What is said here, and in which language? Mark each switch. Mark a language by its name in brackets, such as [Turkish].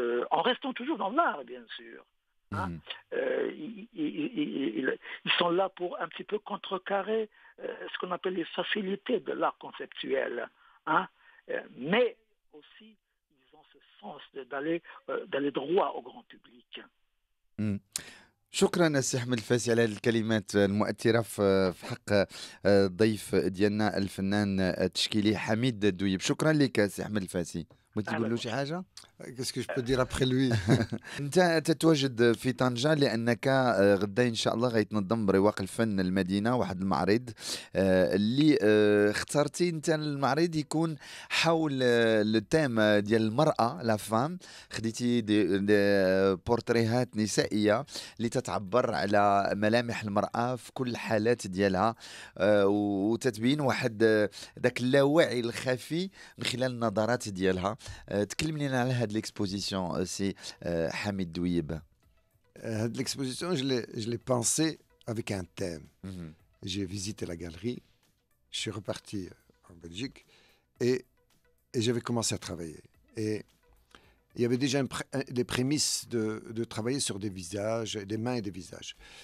[French] En restant toujours dans l'art, bien sûr. Hein. Mmh. Ils sont là pour un petit peu contrecarrer ce qu'on appelle les facilités de l'art conceptuel. Hein. Mais aussi, ils ont ce sens d'aller droit au grand public. Mmh. [Arabic] شكرا السي احمد الفاسي على الكلمات المؤثره في حق ضيف ديالنا الفنان التشكيلي حميد الدويب. شكرا لك السي احمد الفاسي. ما تقول له شي حاجه؟ [French] Qu'est-ce que je peux dire après lui? [Arabic] انت تتواجد في طنجة لانك غدا ان شاء الله غيتنظم برواق الفن المدينه واحد المعرض اللي اخترتي انت. المعرض يكون حول التيم ديال المراه لا فام. خديتي دي بورتريهات نسائيه اللي تتعبر على ملامح المراه في كل الحالات ديالها وتتبين واحد داك اللاوعي الخفي من خلال النظرات ديالها. تكلم لينا على هذا [French] l'exposition aussi [Arabic] Hamid Douyeb. [French] L'exposition, je l'ai pensé avec un thème. J'ai visité la galerie, je suis reparti en Belgique et j'avais commencé à travailler. Et il y avait déjà des prémices de travailler sur des visages, des mains et des visages.